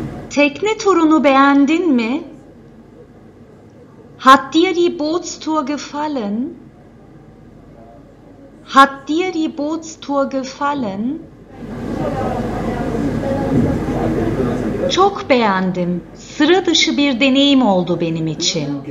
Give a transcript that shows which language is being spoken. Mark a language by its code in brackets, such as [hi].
[tr] Tekne turunu beğendin mi? [de] Hat dir die Bootstour gefallen? Hat dir die Bootstour gefallen? [tr] Çok beğendim. Sıra dışı bir deneyim oldu benim için.